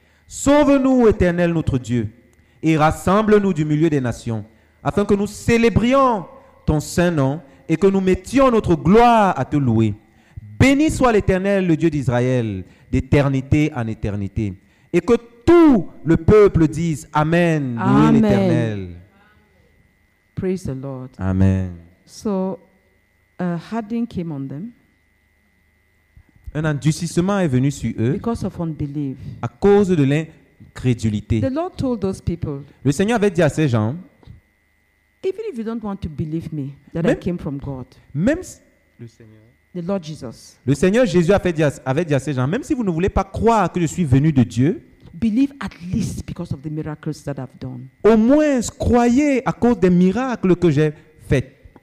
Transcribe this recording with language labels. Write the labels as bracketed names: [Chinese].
[French] Sauve-nous, Éternel notre Dieu, et rassemble-nous du milieu des nations, afin que nous célébrions ton saint nom et que nous mettions notre gloire à te louer. Béni soit l'Éternel, le Dieu d'Israël, d'éternité en éternité, et que tout le peuple dise Amen, louez l'Éternel. [English] Praise the Lord. Amen. So, a hardening came on them. [French] Un endurcissement est venu sur eux. [English] Because of unbelief. [French] À cause de l'incrédulité. [English] The Lord told those people. [French] Le Seigneur avait dit à ces gens. [English] Even if you don't want to believe me, that même, I came from God. [French] Même si, le Seigneur. [English] The Lord Jesus. [French] Le Seigneur Jésus avait dit à ces gens, même si vous ne voulez pas croire que je suis venu de Dieu. [English] Believe at least because of the miracles that I've done. [French] Au moins croyez à cause des miracles que j'ai fait.